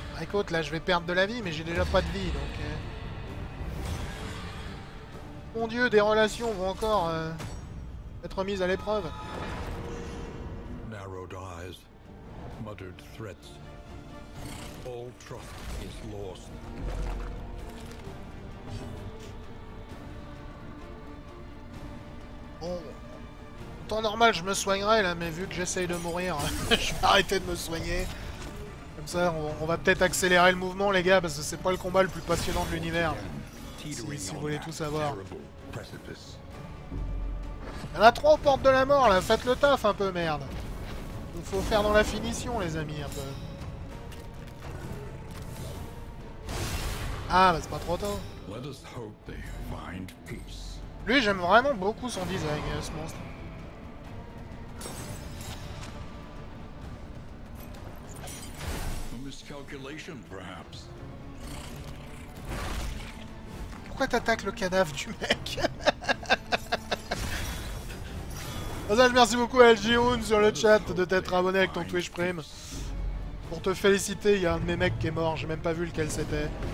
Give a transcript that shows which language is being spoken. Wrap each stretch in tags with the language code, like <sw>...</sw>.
<fr>côte, là je vais perdre de la vie, mais j'ai déjà pas de vie, donc... Mon dieu, des relations vont encore être mises à l'épreuve.</fr> <en>Narrowed eyes, muttered threats. All trust is lost.</en> <fr>Bon, en temps normal je me soignerai là, mais vu que j'essaye de mourir, je vais arrêter de me soigner. Comme ça, on va peut-être accélérer le mouvement, les gars, parce que c'est pas le combat le plus passionnant de l'univers. Si vous voulez tout savoir. Il y en a trois aux portes de la mort là, faites le taf un peu, merde. Il faut faire dans la finition, les amis, un peu. Ah, bah c'est pas trop tôt.</fr> <en>Let us hope they find peace.</en> <fr>Lui, j'aime vraiment beaucoup son design, ce monstre.</fr> <en>A miscalculation, perhaps.</en> <fr>Pourquoi t'attaques le cadavre du mec? Passage, merci beaucoup à LG Hoon sur le chat de t'être abonné avec ton Twitch Prime. Pour te féliciter, il y a un de mes mecs qui est mort, j'ai même pas vu lequel c'était.</fr>